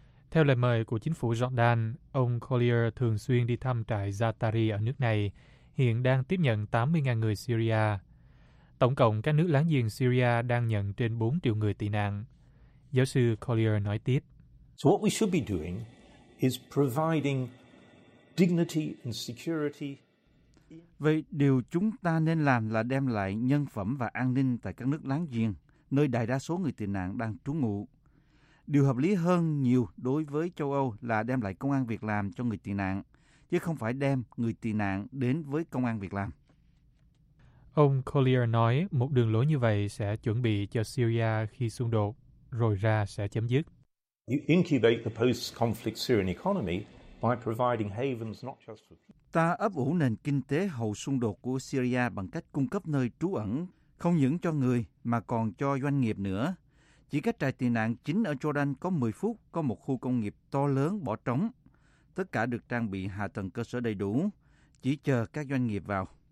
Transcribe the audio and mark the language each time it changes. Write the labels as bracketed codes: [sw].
[vi] Theo lời mời của chính phủ Jordan, ông Collier thường xuyên đi thăm trại Zaatari ở nước này, hiện đang tiếp nhận 80.000 người Syria. Tổng cộng các nước láng giềng Syria đang nhận trên 4 triệu người tị nạn. Giáo sư Collier nói tiếp. [en] So what we should be doing is providing dignity and security. [vi] Vậy điều chúng ta nên làm là đem lại nhân phẩm và an ninh tại các nước láng giềng, nơi đại đa số người tị nạn đang trú ngụ. Điều hợp lý hơn nhiều đối với châu Âu là đem lại công ăn việc làm cho người tị nạn, chứ không phải đem người tị nạn đến với công ăn việc làm. Ông Collier nói một đường lối như vậy sẽ chuẩn bị cho Syria khi xung đột rồi ra sẽ chấm dứt. [en] You incubate the post-conflict Syrian economy by providing havens not just for. [vi] Ta ấp ủ nền kinh tế hậu xung đột của Syria bằng cách cung cấp nơi trú ẩn, không những cho người mà còn cho doanh nghiệp nữa. Chỉ cách trại tị nạn chính ở Jordan có 10 phút, có một khu công nghiệp to lớn bỏ trống. Tất cả được trang bị hạ tầng cơ sở đầy đủ, chỉ chờ các doanh nghiệp vào.